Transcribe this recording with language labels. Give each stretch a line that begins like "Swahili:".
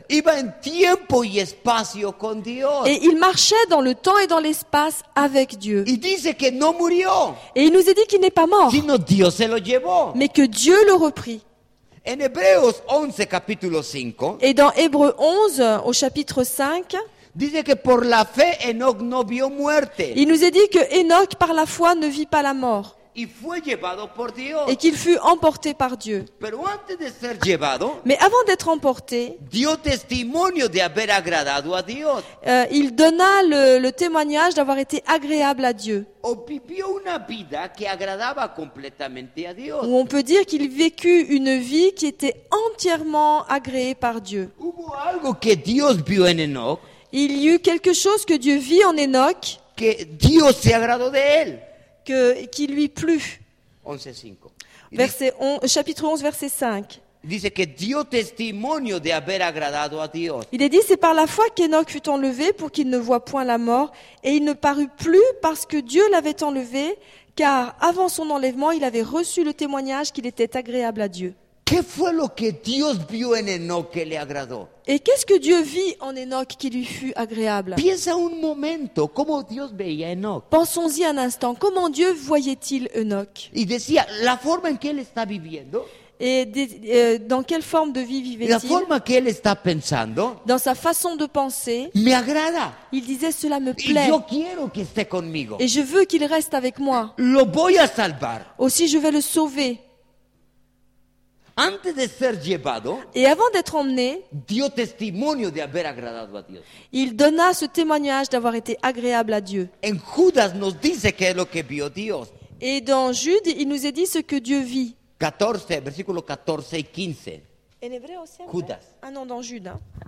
Spanish: Iba en tiempo y espacio con Dios.
French: Et il marchait dans le temps et dans l'espace avec Dieu.
Spanish: Y dice que no murió.
French: Et il nous a dit qu'il n'est pas mort.
Spanish: Sino Dios se lo llevó.
French: Mais que Dieu le reprit.
Spanish: En Hebreos 11, capítulo 5.
French: Et dans Hébreux 11, au chapitre 5.
Spanish: Dice que por la fe Enoch no vio muerte.
French: Il nous est dit que Enoch par la foi ne vit pas la mort.
Spanish: Y fue llevado por Dios.
French: Et qu'il fut emporté par Dieu.
Spanish: Pero antes de ser llevado,
French: mais avant d'être emporté,
Spanish: dio testimonio de haber agradado a Dios.
French: Il donna le témoignage d'avoir été agréable à Dieu.
Spanish: O vivió una vida que agradaba completamente a Dios.
French: Ou on peut dire qu'il vécut une vie qui était entièrement agréée par Dieu.
Spanish: Hubo algo que Dios vio en Enoch.
French: Il y eut quelque chose que Dieu vit en Enoch.
Spanish: Que Dios se agradó de él.
French: Qui lui plut.
Spanish: 11, 5.
French: Verset 11, chapitre 11, verset 5. Il dit que
Spanish: dio testimonio de haber agradado a Dios.
French: Il est dit, c'est par la foi qu'Enoch fut enlevé pour qu'il ne voie point la mort, et il ne parut plus parce que Dieu l'avait enlevé, car avant son enlèvement, il avait reçu le témoignage qu'il était agréable à Dieu.
Spanish: ¿Qué fue lo que Dios vio en Enoch que le agradó?
French: Et qu'est-ce que Dieu vit en Enoch qui lui fut agréable?
Spanish: Piensa un momento, ¿cómo Dios veía Enoch?
French: Pensons-y un instant, comment Dieu voyait-il Enoch?
Spanish: Y decía, la forma en que él está viviendo.
French: Et dans quelle forme de vie vivait-il?
Spanish: La forma que él está pensando.
French: Dans sa façon de penser.
Spanish: Me agrada.
French: Il disait, cela me plaît.
Spanish: Y yo quiero que esté conmigo.
French: Et je veux qu'il reste avec moi.
Spanish: Lo voy a salvar.
French: Aussi, je vais le sauver.
Spanish: Antes de ser llevado,
French: et avant d'être emmené,
Spanish: dio testimonio de haber agradado a Dios.
French: Il donna ce témoignage d'avoir été agréable à Dieu.
Spanish: En Judas nos dice que es lo que vio Dios.
French: Et dans Jude, il nous est dit ce que Dieu vit.
Spanish: 14, versículo 14 y 15. En hebreo, siempre. Judas.
French: Ah non, dans Jude. Hein.